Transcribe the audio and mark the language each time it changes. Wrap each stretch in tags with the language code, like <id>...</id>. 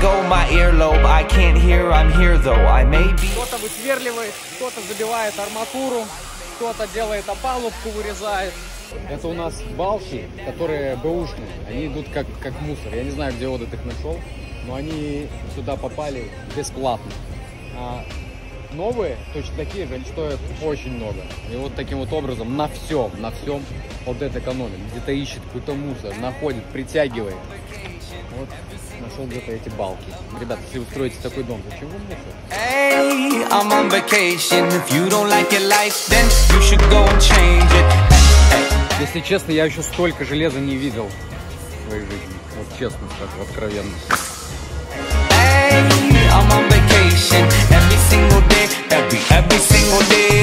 <ru>Gogh, my earlobe, I can't hear, I'm here though, I may be. Кто-то высверливает, кто-то забивает арматуру, кто-то делает опалубку, вырезает. Это у нас балки, которые бэушные, они идут как мусор. Я не знаю, где Одет их нашел, но они сюда попали бесплатно. А новые, точно такие же, они стоят очень много. И вот таким вот образом на всем Одет экономит. Где-то ищет какой-то мусор, находит, притягивает. Вот нашел где-то эти балки. Ребята, если вы строите такой дом, зачем вам мусор?</ru> <en>Hey, I'm on vacation. If you don't like your life, then you should go and change it.</en> <ru>Если честно, я еще столько железа не видел в своей жизни. Вот честно, так, откровенно.</ru> <en>Hey, I'm on vacation. Every single day, every single day.</en>